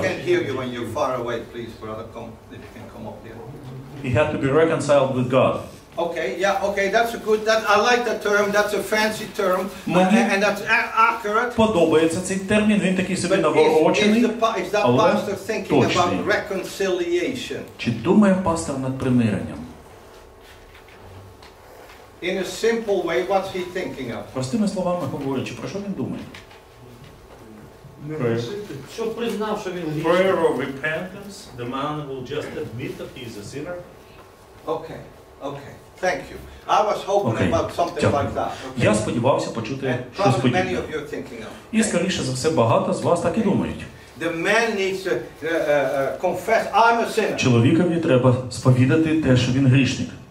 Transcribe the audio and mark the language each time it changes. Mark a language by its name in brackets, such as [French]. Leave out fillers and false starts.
[English] I can't hear you when you're far away, please, brother. Come, if you can come up here. He had to be reconciled with God. Okay, yeah, okay, that's a good, that I like that term, that's a fancy term, and that's accurate. [Ukrainian] Подобається цей термін, він такий собі навороченний, але точний. [English] Is that pastor thinking about reconciliation? [Ukrainian] Чи думає пастор над примиренням? [English] In a simple way, what's he thinking of? [Ukrainian] Простими словами говорячи, про що він думає? Що признав, що він грішник. [English] Prayer of repentance, the man will just admit that he is a sinner. Okay. Okay, thank you. I was hoping okay. about something like that. Okay. [Ukrainian] Я сподівався почути щось подібне. І, скоріше за все, багато з вас так і думають. [English] The man needs to confess, I'm a sinner. [Ukrainian] Чоловікові треба сповідати те, що він грішник.